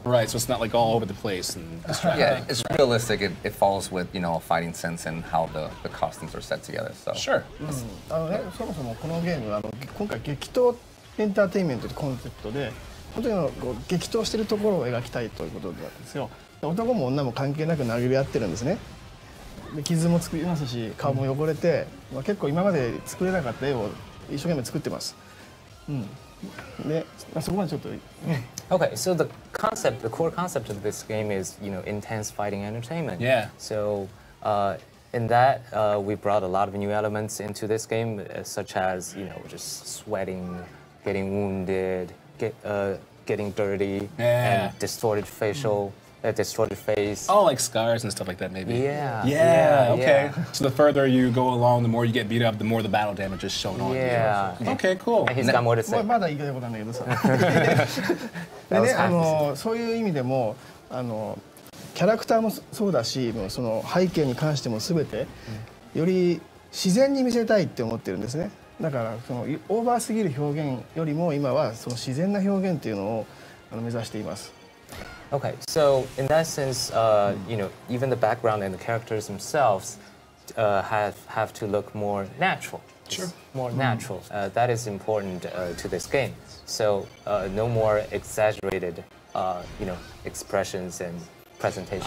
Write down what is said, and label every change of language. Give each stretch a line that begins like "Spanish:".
English: Right, so it's not like all over the place and distracting. Yeah, it's realistic. It follows with, you know, a fighting sense and how the costumes are set together. So. Sure.
Japanese: そもそもこのゲーム、今回激闘エンターテインメントってコンセプトで、本当にこう激闘してるところを描きたいということなんですよ。男も女も関係なく殴り合ってるんですね。で傷も作りますし、顔も汚れて、まあ、結構今まで作れなかった絵を一生懸命作ってます。うん。
English: Okay, so the core concept of this game is, you know, intense fighting entertainment. Yeah. So, in that, we brought a lot of new elements into this game, such as, you know, just sweating, getting wounded, getting dirty, yeah. And distorted facial, distorted face. Oh, like scars and stuff like that, maybe. Yeah, okay. So the further you go along, the more you get beat up, the more the battle damage is shown on you. Yeah. Okay, cool. And he's got more to say.
Japanese: まだ言いたいことあるんだけどさ。でね、そういう意味でも、キャラクターもそうだし、その背景に関しても全て、より自然に見せたいって思ってるんですね。だから、そのオーバーすぎる表現よりも、今はその自然な表現っていうのを目指しています。
English: Okay, so in that sense, you know, even the background and the characters themselves have to look more natural. Sure. More natural. That is important to this game. So no more exaggerated, you know, expressions and presentations.